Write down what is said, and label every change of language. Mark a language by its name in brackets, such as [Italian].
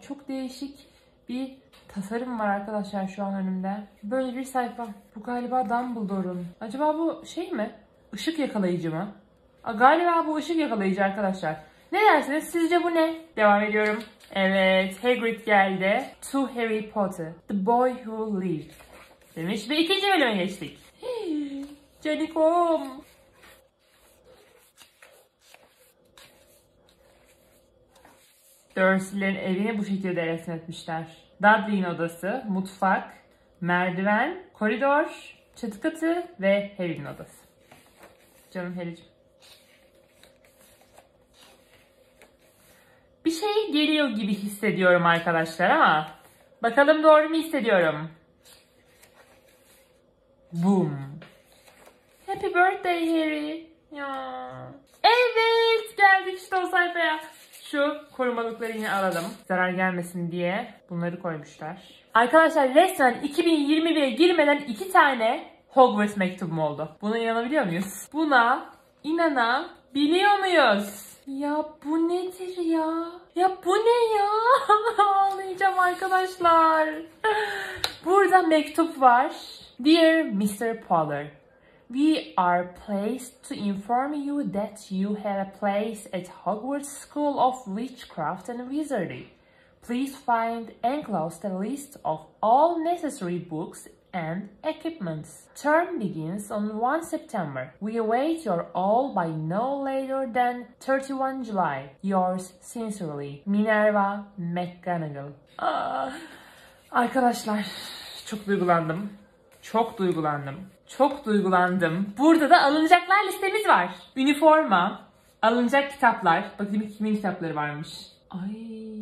[Turkish] Çok değişik bir tasarım var arkadaşlar şu an önümde. Böyle bir sayfa. Bu galiba Dumbledore'un. Acaba bu şey mi? Işık yakalayıcı mı? Galiba bu ışık yakalayıcı arkadaşlar. Ne dersiniz? Sizce bu ne? Devam ediyorum. Evet, Hagrid geldi. [English] To Harry Potter, the boy who lived. [Turkish] Demiş ve ikinci bölüme geçtik. Canikom. Dursley'lerin evini bu şekilde resmetmişler. Dudley'in odası, mutfak, merdiven, koridor, çatı katı ve Harry'nin odası. Canım Harry'cim. Bir şey geliyor gibi hissediyorum arkadaşlar ama bakalım doğru mu hissediyorum. [English] Boom. Happy birthday Harry. Ya. [Turkish] Evet geldik işte o sayfaya. Şu korumalıkları yine alalım. Zarar gelmesin diye bunları koymuşlar. Arkadaşlar resmen 2021'e girmeden iki tane Hogwarts mektubum oldu. Buna inanabiliyor muyuz? Buna inanabiliyor muyuz? Ya bu nedir ya? Ya bu ne ya? Ağlayacağım arkadaşlar. Burada mektup var. [English] Dear Mr. Potter, we are pleased to inform you that you have a place at Hogwarts School of Witchcraft and Wizardry. Please find enclosed a list of all necessary books and equipments. Term begins on 1 September. We await your all by no later than 31 July. Yours sincerely, Minerva McGonagall. [Turkish] Ah, arkadaşlar, çok duygulandım. Çok duygulandım. Çok duygulandım. Burada da alınacaklar listemiz var. Üniforma, alınacak kitaplar. Bakayım kimin kitapları varmış. Ay.